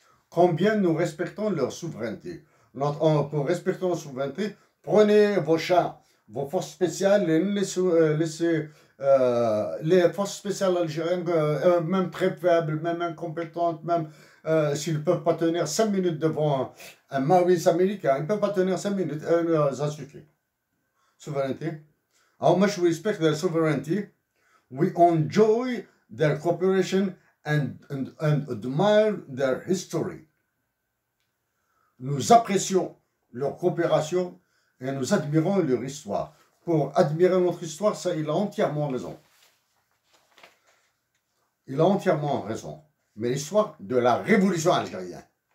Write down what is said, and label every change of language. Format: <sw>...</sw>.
<fr>Combien nous respectons leur souveraineté. Pour respecter leur souveraineté, prenez vos chars, vos forces spéciales et laissez. Les forces spéciales algériennes, même très faibles, même incompétentes, même s'ils ne peuvent pas tenir 5 minutes devant un Maoïs américain, ils ne peuvent pas tenir 5 minutes, ça suffit. Souveraineté.</fr> <en>How much we respect their sovereignty, we enjoy their cooperation and admire their history.</en> <fr>Nous apprécions leur coopération et nous admirons leur histoire. Pour admirer notre histoire, ça, il a entièrement raison. Il a entièrement raison. Mais l'histoire de la révolution algérienne.</fr>